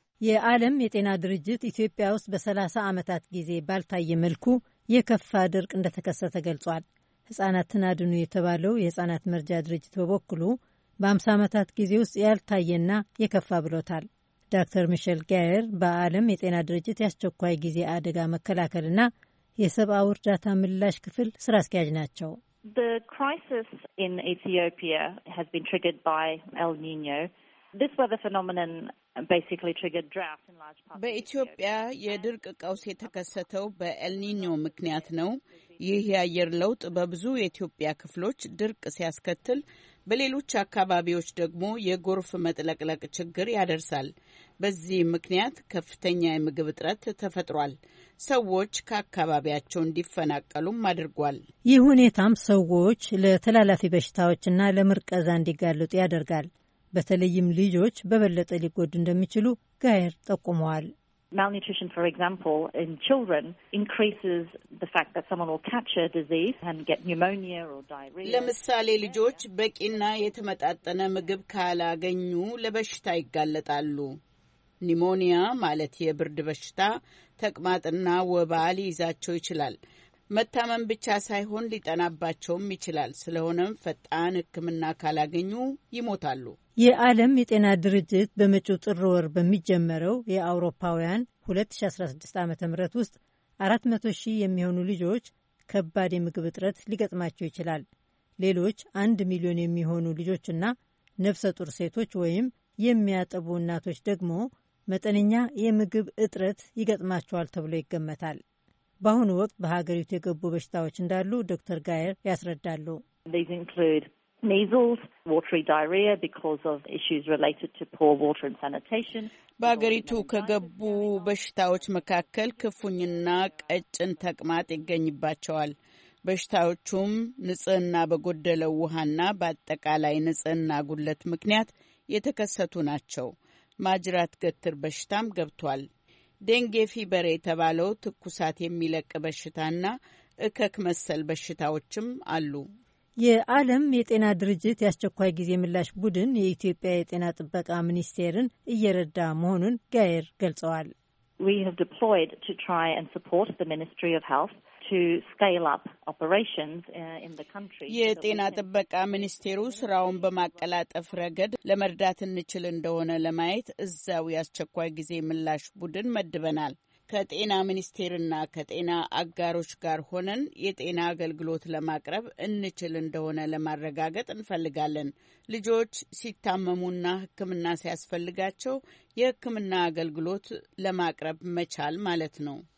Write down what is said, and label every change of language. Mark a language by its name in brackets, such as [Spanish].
[Amharic] የዓለም የጤና ድርጅት ኢትዮጵያ ውስጥ በ30 ዓመታት ጊዜ ባልታየ መልኩ የከፋ ድርቅ እንደተከሰተ ገልጿል። ሕፃናትን አድኑ የተባለው የሕፃናት መርጃ ድርጅት በበኩሉ በ50 ዓመታት ጊዜ ውስጥ ያልታየና የከፋ ብሎታል። ዶክተር ሚሼል ጋየር በዓለም የጤና ድርጅት የአስቸኳይ ጊዜ አደጋ መከላከልና የሰብአዊ እርዳታ ምላሽ ክፍል ስራ አስኪያጅ ናቸው። [English] The crisis in Ethiopia has been triggered by El Nino. This weather phenomenon basically triggered drought in large parts. [Amharic] በኢትዮጵያ የድርቅ ቀውስ የተከሰተው በኤልኒኞ ምክንያት ነው። ይህ የአየር ለውጥ በብዙ የኢትዮጵያ ክፍሎች ድርቅ ሲያስከትል፣ በሌሎች አካባቢዎች ደግሞ የጎርፍ መጥለቅለቅ ችግር ያደርሳል። በዚህ ምክንያት ከፍተኛ የምግብ እጥረት ተፈጥሯል። ሰዎች ከአካባቢያቸው እንዲፈናቀሉም አድርጓል። ይህ ሁኔታም ሰዎች ለተላላፊ በሽታዎችና ለምርቀዛ እንዲጋለጡ ያደርጋል። በተለይም ልጆች በበለጠ ሊጎዱ እንደሚችሉ ጋየር ጠቁመዋል። [English] Malnutrition, for example, in children increases the fact that someone will catch a disease and get pneumonia or diarrhea. [Amharic] ለምሳሌ ልጆች በቂና የተመጣጠነ ምግብ ካላገኙ ለበሽታ ይጋለጣሉ። ኒሞኒያ ማለት የብርድ በሽታ፣ ተቅማጥና ወባ ሊይዛቸው ይችላል። መታመም ብቻ ሳይሆን ሊጠናባቸውም ይችላል። ስለሆነም ፈጣን ሕክምና ካላገኙ ይሞታሉ። የዓለም የጤና ድርጅት በመጪው ጥር ወር በሚጀመረው የአውሮፓውያን 2016 ዓ.ም ውስጥ 400,000 የሚሆኑ ልጆች ከባድ የምግብ እጥረት ሊገጥማቸው ይችላል። ሌሎች 1,000,000 የሚሆኑ ልጆችና ነፍሰ ጡር ሴቶች ወይም የሚያጠቡ እናቶች ደግሞ መጠነኛ የምግብ እጥረት ይገጥማቸዋል ተብሎ ይገመታል። በአሁኑ ወቅት በሀገሪቱ የገቡ በሽታዎች እንዳሉ ዶክተር ጋየር ያስረዳሉ። [English] These include measles, watery diarrhea because of issues related to poor water and sanitation. [Amharic] በሀገሪቱ ከገቡ በሽታዎች መካከል ክፉኝና ቀጭን ተቅማጥ ይገኝባቸዋል። በሽታዎቹም ንጽህና በጎደለው ውሃና በአጠቃላይ ንጽህና ጉድለት ምክንያት የተከሰቱ ናቸው። ማጅራት ገትር በሽታም ገብቷል። ደንጌ ፊበር የተባለው ትኩሳት የሚለቅ በሽታና እከክ መሰል በሽታዎችም አሉ። የዓለም የጤና ድርጅት የአስቸኳይ ጊዜ ምላሽ ቡድን የኢትዮጵያ የጤና ጥበቃ ሚኒስቴርን እየረዳ መሆኑን ጋየር ገልጸዋል። [English] We have deployed to try and support the Ministry of Health to scale up operations in the country. [Amharic] የጤና ጥበቃ ሚኒስቴሩ ስራውን በማቀላጠፍ ረገድ ለመርዳት እንችል እንደሆነ ለማየት እዛው ያስቸኳይ ጊዜ ምላሽ ቡድን መድበናል። ከጤና ሚኒስቴርና ከጤና አጋሮች ጋር ሆነን የጤና አገልግሎት ለማቅረብ እንችል እንደሆነ ለማረጋገጥ እንፈልጋለን። ልጆች ሲታመሙና ሕክምና ሲያስፈልጋቸው የሕክምና አገልግሎት ለማቅረብ መቻል ማለት ነው።